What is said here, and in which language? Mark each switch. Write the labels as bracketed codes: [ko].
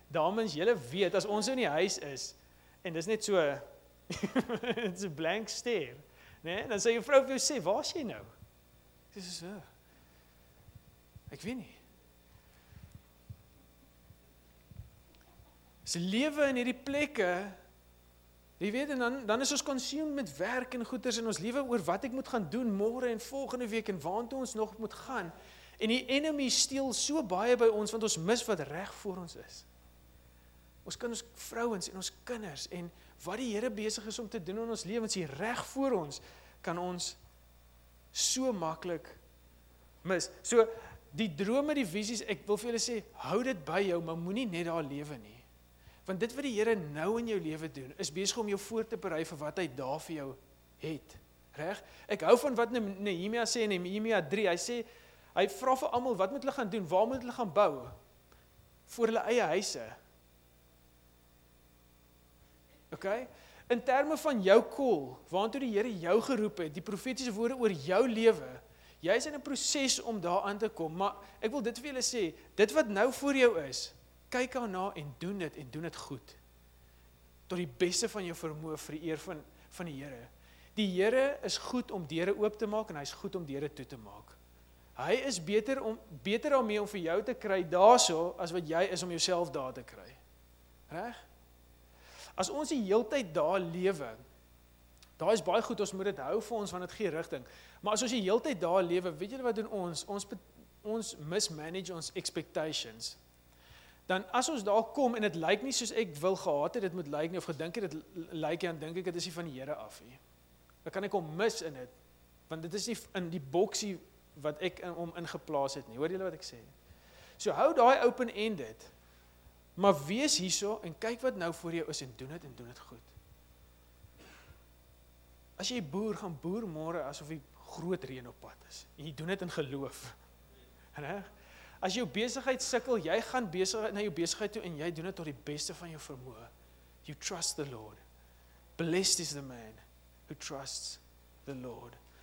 [af] Dames, julle weet as ons in die huis is en dis net so dit's 'n [en] blank stare, [af] nê? Dan sê jou vrou vir jou sê, "Waar's jy nou?" Sy sê so. Ek weet nie. Sy lewe in hierdie plekke. Jy weet, en dan is ons consumed met werk en goeders en ons lewe oor wat ek moet gaan doen môre en volgende week en waartoe ons nog moet gaan. En die enemy steel so baie by ons, want ons mis wat reg voor ons is. Ons kinders, vrouens en ons kinders en wat die Here besig is om te doen in ons lewens, hier reg voor ons, kan ons so maklik mis. So, die drome, die visies, ek wil vir julle sê, hou dit by jou, maar moenie net daar lewe nie. Want dit wat die Here nou in jou lewe doen, is besig om jou voor te berei vir wat hy daar vir jou het. Reg? Ek hou van wat Nehemia sê in Nehemia 3. Hy sê, hy vra vir almal, wat moet hulle gaan doen? Waar moet hulle gaan bou? Voor hulle eie huise. Ok? In terme van jou call, waantoe die Here jou geroep het, die profetiese woorde oor jou lewe, jy is in 'n proses om daar aan te kom. Maar ek wil dit vir julle sê, dit wat nou voor jou is, kyk aan na en doen dit goed. Tot die beste van jou vermoë vir die eer van die Here. Die Here is goed om deure oop te maak en hy is goed om deure toe te maak. Hy is beter daarmee om vir jou te kry daarso as wat jy is om jouself daar te kry. Reg? As ons die heeltyd daar lewe, daar is baie goed, ons moet dit hou vir ons want dit gee rigting. Maar as ons die heeltyd daar lewe, weet julle wat doen ons? Ons mismanage ons expectations. Dan as ons daar kom en dit lyk nie soos ek wil gehad het, dit moet lyk nie, of gedink het, dit lyk nie, dan dink ek, dit is nie van die Here af nie. Dan kan ek hom mis in dit, want dit is nie in die boksie wat ek hom ingeplaas het nie. Hoor julle wat ek sê? So hou daai open-ended, maar wees hierso en kyk wat nou voor jou is en doen dit goed. As jy boer, gaan boer môre asof die groot reën op pad is. En jy doen dit in geloof. En hè? As jou besigheid sukkel, jy gaan besig na jou besigheid toe en jy doen dit tot die beste van jou vermoë. [en] You trust the Lord. Blessed is the man who trusts the Lord.